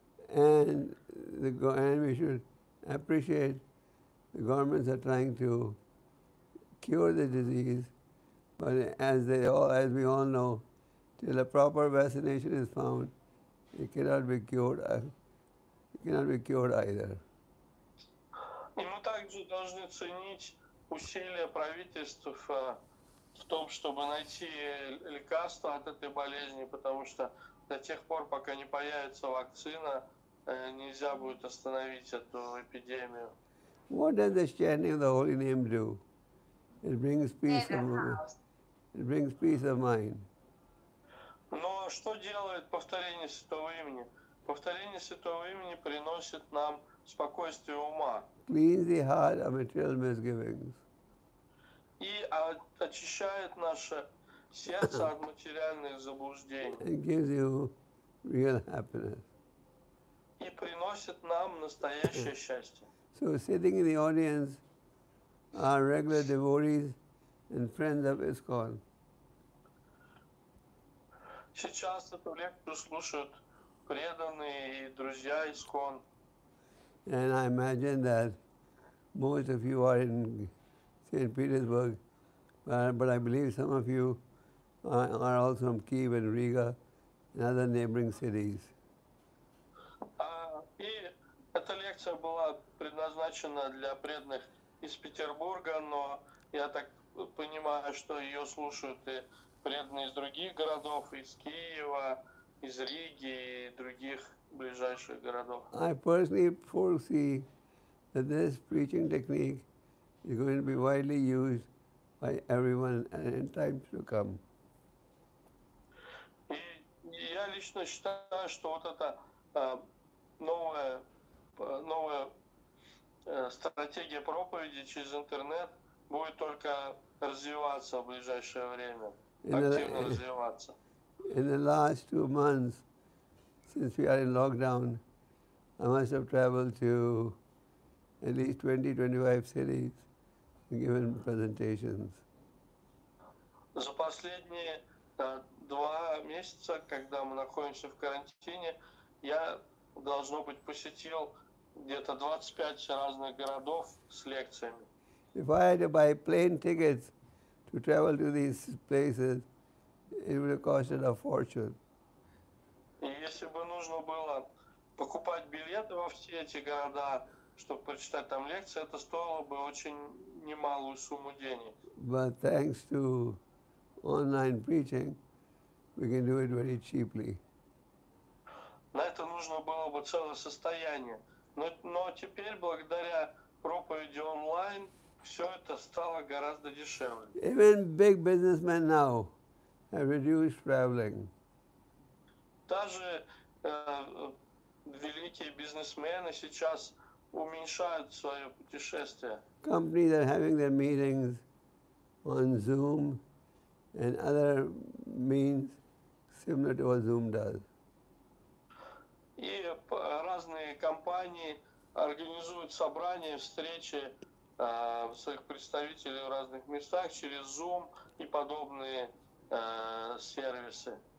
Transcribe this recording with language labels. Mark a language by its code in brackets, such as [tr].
[en] And we should appreciate the governments are trying to cure the disease, but as we all know, till a proper vaccination is found, it cannot be cured either. [ru] И мы также должны ценить усилия правительств в том, чтобы найти лекарство от этой болезни, потому что до тех пор, пока не появится вакцина, нельзя будет остановить эту эпидемию. [en] What does the chanting of the holy name do? It brings peace of mind. It brings peace of mind. [ru] Но что делает повторение святого имени? Повторение святого имени приносит нам спокойствие ума. [en] Cleans the heart of material misgivings. [ru] И очищает наше сердце от материальных заблуждений. [en] It gives you real happiness. [ru] И приносит нам настоящее счастье. [en] So sitting in the audience are regular devotees and friends of ISKCON. [ru] Сейчас эту лекцию слушают преданные и друзья ISKCON. [en] And I imagine that most of you are in St. Petersburg, but I believe some of you are also from Kyiv and Riga and other neighboring cities. [ru] И эта лекция была предназначена для преданных из Петербурга, но я так понимаю, что ее слушают и преданные из других городов, из Киева, из Риги и других ближайших городов. [en] I personally foresee that this preaching technique is going to be widely used by everyone in time to come. [ru] И я лично считаю, что вот это новая стратегия проповеди через интернет будет только развиваться в ближайшее время, развиваться. [en] In the last 2 months, since we are in lockdown, I must have traveled to at least 20-25 cities and given presentations. [ru] За последние 2 месяца, когда мы находимся в карантине, я, должно быть, посетил где-то 25 разных городов с лекциями. [en] If I had to buy plane tickets to travel to these places, it would have costed a fortune. [ru] И если бы нужно было покупать билеты во все эти города, чтобы прочитать там лекции, это стоило бы очень немалую сумму денег. [en] But thanks to online preaching, we can do it very cheaply. [ru] На это нужно было бы целое состояние. Но теперь, благодаря проповеди онлайн, все это стало гораздо дешевле. [en] Even big businessmen now have reduced traveling. [ru] Даже великие бизнесмены сейчас уменьшают свое путешествие. [en] Companies are having their meetings on Zoom and other means similar to what Zoom does. [ru] И разные компании организуют собрания, встречи своих представителей в разных местах через Zoom и подобные сервисы.